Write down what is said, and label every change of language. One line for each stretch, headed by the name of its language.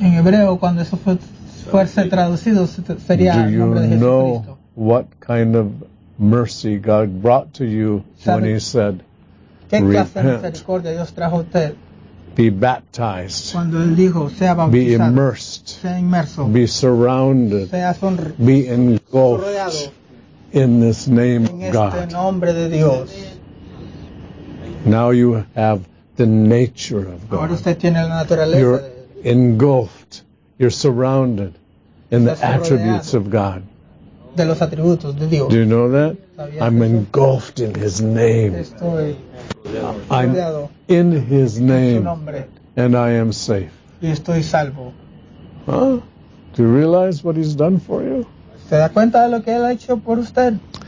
Spanish: En hebreo, cuando eso fuese traducido, sería el nombre de Jesucristo.
English: Do you know what kind of mercy God brought to you when he said, repent, be baptized, be immersed, be surrounded, be engulfed in this name of God? Now you have the nature of God. You're engulfed, you're surrounded in the attributes of God.
Spanish: De los atributos de Dios.
English: Do you know that? I'm engulfed in his name.
Spanish: Estoy
English: I'm in his name.
Spanish: En su nombre.
English: And I am safe.
Spanish: Y estoy salvo. Huh?
English: Do you realize what he's done for you?
Spanish: ¿Se da cuenta de lo que él ha hecho por usted?